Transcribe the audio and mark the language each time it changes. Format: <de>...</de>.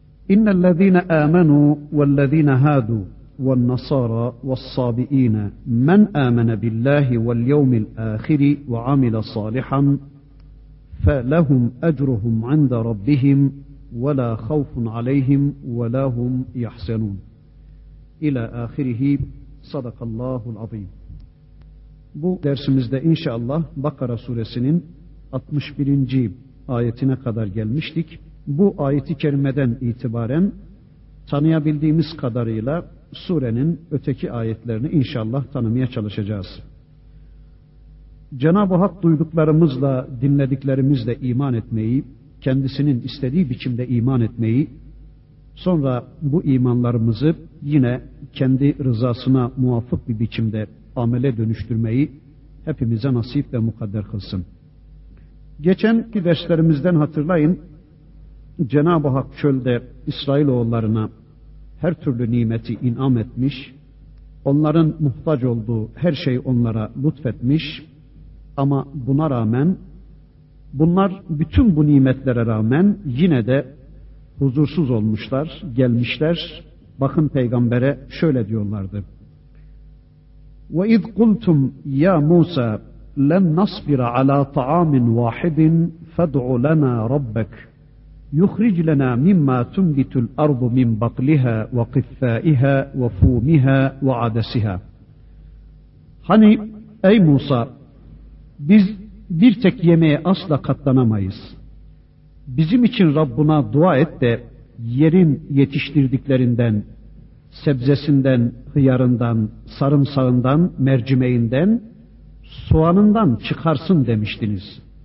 <ar>إن الذين آمنوا والذين هادوا والنصارى والصابئين من آمن بالله واليوم الآخر وعمل صالحا فلهم أجرهم عند ربهم ولا خوف عليهم ولا هم يحزنون، إلى آخره. صدق الله العظيم.</ar> <tr>Bu dersimizde inşallah Bakara suresinin 61. ayetine kadar gelmiştik. Bu ayeti kerimeden itibaren tanıyabildiğimiz kadarıyla surenin öteki ayetlerini inşallah tanımaya çalışacağız. Cenab-ı Hak duyduklarımızla, dinlediklerimizle iman etmeyi, kendisinin istediği biçimde iman etmeyi, sonra bu imanlarımızı yine kendi rızasına muvafık bir biçimde amele dönüştürmeyi hepimize nasip ve mukadder kılsın. Geçenki derslerimizden hatırlayın, Cenab-ı Hak çölde İsrailoğullarına her türlü nimeti inam etmiş, onların muhtaç olduğu her şeyi onlara lütfetmiş, ama buna rağmen, bunlar bütün bu nimetlere rağmen yine de huzursuz olmuşlar, gelmişler. Bakın peygambere şöyle diyorlardı:</tr> <ar>وَاِذْ قُلْتُمْ يَا مُوسَى لَنْ نَصْبِرَ عَلَى طَعَامٍ وَاحِدٍ فَدْعُ لَنَا رَبَّكَ يُخْرِجْ لَنَا مِمَّا تُنْبِتُ الْأَرْضُ مِنْ بَقْلِهَا وَقِثَّائِهَا وَفُومِهَا وَعَدَسِهَا.</ar> <tr>Hani ey Musa, biz bir tek yemeğe asla katlanamayız. Bizim için Rabbuna dua et de yerin yetiştirdiklerinden, sebzesinden, hıyarından, sarımsağından, mercimeğinden, soğanından çıkarsın demiştiniz.</tr>